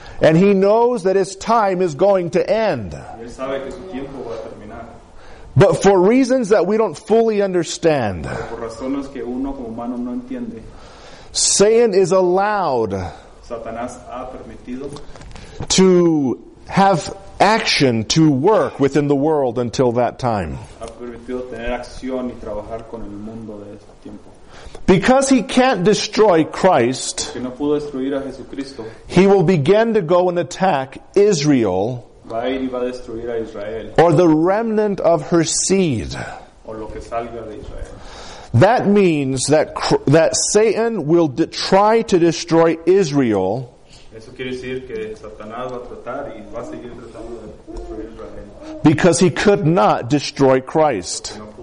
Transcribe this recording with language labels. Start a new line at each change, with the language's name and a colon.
English: And he knows that his time is going to end.
Spanish: Él sabe que su tiempo va a terminar.
English: But for reasons that we don't fully understand,
Spanish: por razones que uno como humano no entiende,
English: Satan is allowed
Spanish: Satanás ha permitido
English: to have action to work within the world until that time.
Spanish: Ha permitido tener acción y trabajar con el mundo de ese tiempo.
English: Because he can't destroy Christ,
Spanish: no pudo destruir a Jesucristo,
English: he will begin to go and attack Israel,
Spanish: va a ir y va a destruir a Israel
English: or the remnant of her seed.
Spanish: O lo que salga de Israel.
English: That means that Satan will try to destroy Israel.
Spanish: Eso quiere decir que Satanás va a tratar y va a seguir tratando de destruir Israel.
English: Because he could not destroy Christ.